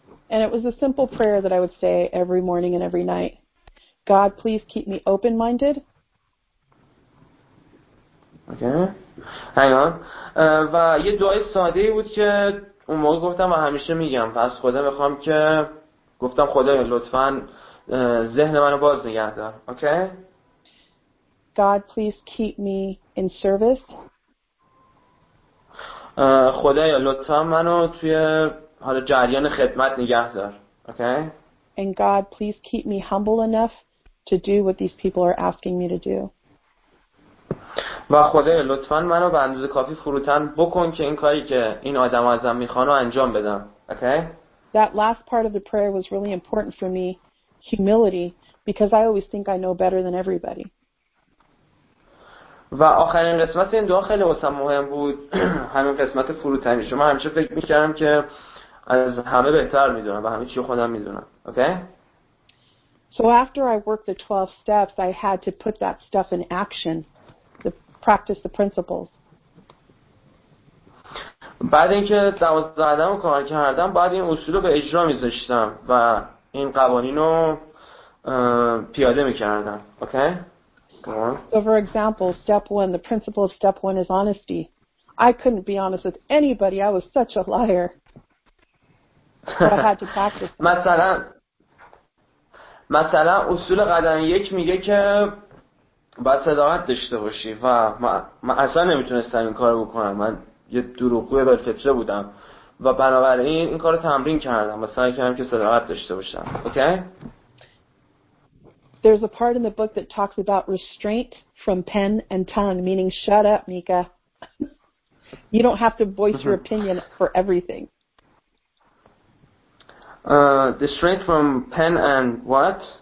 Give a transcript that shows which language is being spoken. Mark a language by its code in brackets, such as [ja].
[en] And it was a simple prayer that I would say every morning and every night. God, please keep me open-minded. [fa] اوکی؟ هنگام و یه دعای ساده بود که اون موقع گفتم و همیشه میگم پس خدا بخوام که گفتم خدا لطفاً ذهن منو باز نگه دار. [en] Okay? God please keep me in service. [fa] خدایا لطفا منو توی حال جریان خدمت نگه دار. [en] Okay? And God please keep me humble enough to do what these people are asking me to do. [fa] و خدایا لطفا منو به اندازه کافی فروتن بکن که این کاری که این آدم ازم میخوان رو انجام بدم. [en] Okay? That last part of the prayer was really important for me. Humility, because I always think I know better than everybody. [fa] و آخرین قسمت این دعا خیلی واسم مهم بود. همین قسمت فروتنی. شما همیشه فکر می‌کردم که از همه بهتر می‌دونم و همه چی خودم می‌دونم. Okay? [en] So after I worked the 12 steps, I had to put that stuff in action, to practice the principles. [fa] بعد اینکه 12 قدم رو کار کردم، بعد این اصول رو به اجرا می‌ذاشتم و این قوانین رو پیاده می‌کردم. [en] Okay? So for example, step one, the principle of step one is honesty. I couldn't be honest with anybody. I was such a liar. But I had to practice. [fa] مثلا اصول قدم یک میگه که باید صداقت داشته باشی و من اصلا نمیتونستم این کار رو بکنم. من یه دروغگوی بلفطره بودم و بنابراین این کار رو تمرین کردم و سعی کردم که صداقت داشته باشم. [en] Okay? There's a part in the book that talks about restraint from pen and tongue, meaning shut up, Mika. You don't have to voice your opinion for everything. Restraint from pen and what?